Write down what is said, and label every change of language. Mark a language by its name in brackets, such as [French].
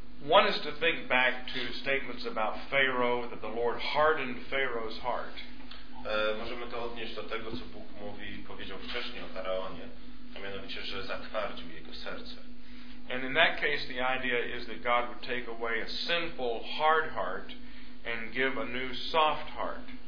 [English] One is to think back to statements about Pharaoh, that the Lord hardened Pharaoh's heart. [Polish] Możemy to odnieść do tego, co Bóg mówi i powiedział wcześniej o Faraonie, a mianowicie, że zatwardził jego serce. [English] And in that case, the idea is that God would take away a sinful, hard heart and give a new, soft heart.